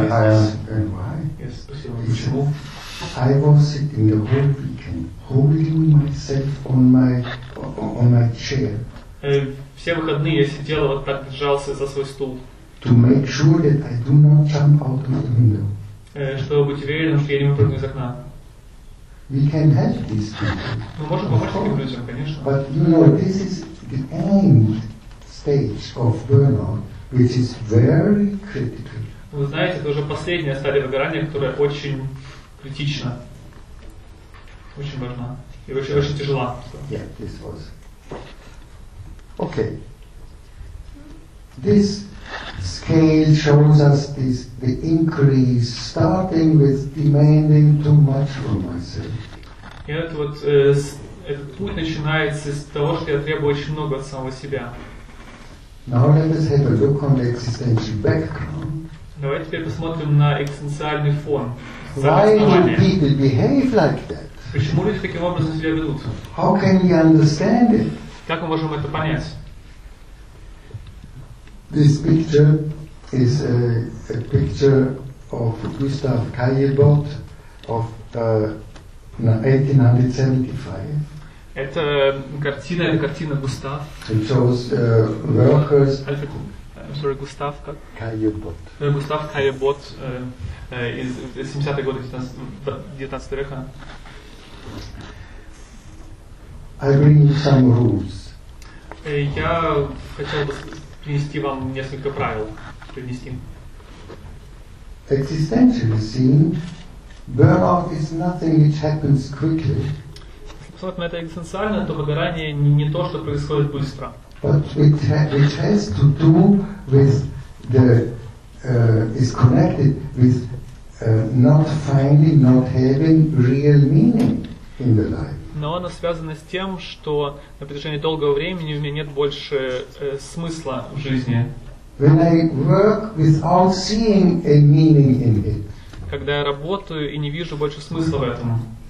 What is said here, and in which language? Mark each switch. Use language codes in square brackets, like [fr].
[en] And I asked, why? [ru] Я спросил, почему? [en] I was sitting the whole weekend holding myself on my chair. [ru] Все выходные я сидел вот так, держался за свой стул. [en] To make sure that I do not jump out of the window. [ru] Чтобы быть уверенным, что я не выпрыгну из окна. [en] We can help these people. [ru] Мы можем помочь этим людям, конечно. [en] But you know, this is the end stage of burnout, which is very critical. [ru] Вы знаете, это уже последняя стадия выгорания, которая очень критична, очень важна и очень, очень тяжела. [en] Yeah, this was. Okay. This scale shows us this the increase starting with demanding too much from myself. [ru] И этот вот этот путь начинается с того, что я требую очень много от самого себя. [en] Now let us have a look on the existential background. [ru] Давайте теперь посмотрим на экзистенциальный фон. [en] Why do people behave like that? [ru] Почему люди таким образом себя ведут? [en] How can we understand it? [ru] Как мы можем это понять? [en] This picture is a picture of Gustav Caillebotte of 1875. [ru] Это картина, Густав. [en] It shows workers. [ru] Густав как? [en] Caillebotte. [ru] Густав Caillebotte из 70-х годов 19 века. [en] I bring you some rules. [ru] Я хотел бы принести вам несколько правил. Принести. [en] Existentially seen, burnout is nothing which happens quickly. [ru] Посмотрим на это экзистенциально, то выгорание не то, что происходит быстро. [en] But it, it has to do with the is connected with not finding, not having real meaning in the life. [ru] Но оно связано с тем, что на протяжении долгого времени у меня нет больше смысла в жизни. [en] When I work without seeing a meaning in it. [ru] Когда я работаю и не вижу больше смысла в этом.